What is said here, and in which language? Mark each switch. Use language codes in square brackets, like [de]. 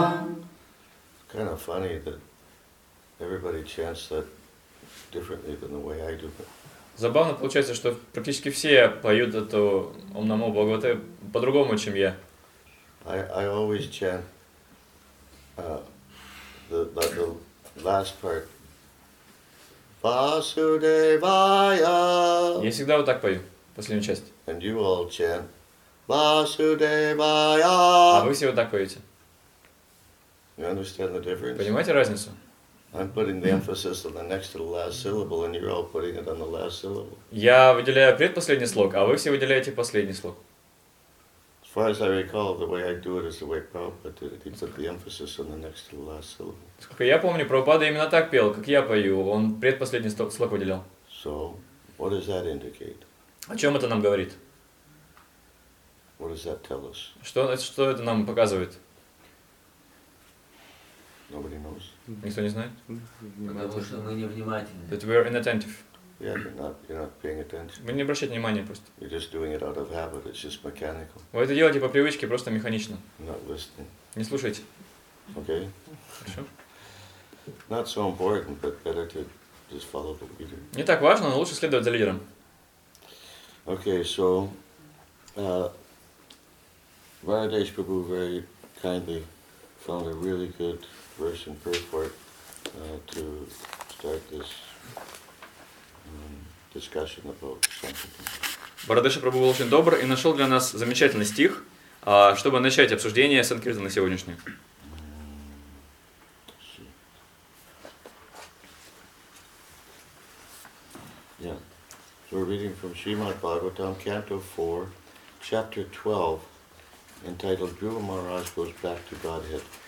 [en] It's kind of funny that everybody chants that differently than the way I do it. [ru] Забавно получается, что практически все поют эту Ом Намо Бхагавате по-другому, чем я. [en] I always chant the last part. [sa] Vasudevaya. [ru] Я всегда вот так пою, последнюю часть. [en] And you all chant. [sa] Vasudevaya. [ru] А вы все вот так поете. [en] You understand the difference? [ru] Понимаете разницу? [en] I'm putting the emphasis on the next to the last syllable, and you're all putting it on the last syllable. [ru] Я выделяю предпоследний слог, а вы все выделяете последний слог. [en] As far as I recall, the way I do it is the way Prabhupada did it. He put the emphasis on the next to the last syllable. [ru] Сколько я помню, Прабхупада именно так пел, как я пою. Он предпоследний слог выделял. [en] So, what does that indicate? [ru] О чем это нам говорит? [en] What does that tell us? [ru] Что это нам показывает? [en] Nobody knows. [ru] Никто не знает? Потому что мы невнимательны. [en] That we're inattentive. Yeah, you're not paying attention. [ru] Вы не обращаете внимания просто. [en] You're just doing it out of habit. It's just mechanical. [ru] Вы это делаете по привычке, просто механично. [en] Not listening. [ru] Не слушайте. [en] Okay. [ru] Хорошо. [en] Not so important, but better to just follow the leader. [ru] Не так важно, но лучше следовать за лидером. [en] Okay, so Varadesh Prabhu very kindly found a really good verse in purport to start this discussion about sankirtan. [ru] Varadesha Prabhu был очень добр и нашел для нас замечательный стих, чтобы начать обсуждение санкиртана сегодняшнее. [en] Yeah. So we're reading from Srimad Bhagavatam, Canto 4, Chapter 12, entitled Dhruva Maharaj Goes Back to Godhead.